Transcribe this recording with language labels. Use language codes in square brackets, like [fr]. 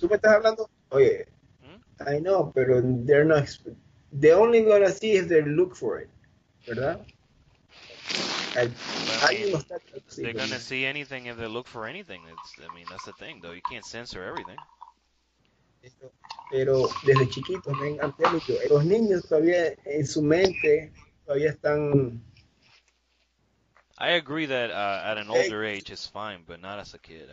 [es] ¿Tú me estás hablando? Oye. Hmm? [en] I know, [es] pero [en] they're not. They're only going to see if they look for it. [es] ¿Verdad? [en] They're gonna see anything if they look for anything. That's the thing, though. You can't censor everything. [es] Pero desde chiquitos, ven, antes los niños todavía en su mente todavía están. [en] I agree that at an older age it's fine, but not as a kid.